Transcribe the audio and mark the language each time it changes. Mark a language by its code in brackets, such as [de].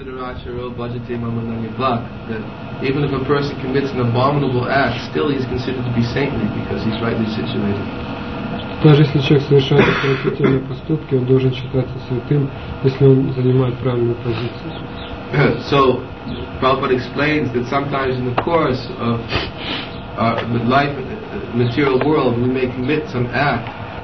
[en] That even if a person commits an abominable act, still he is considered to be saintly because he's rightly situated. [ru] Даже если человек совершает отвратительные поступки, он должен считаться святым, если он занимает правильную позицию. [en] So, Prabhupada explains that sometimes in the course of our life, material world, we may commit some act.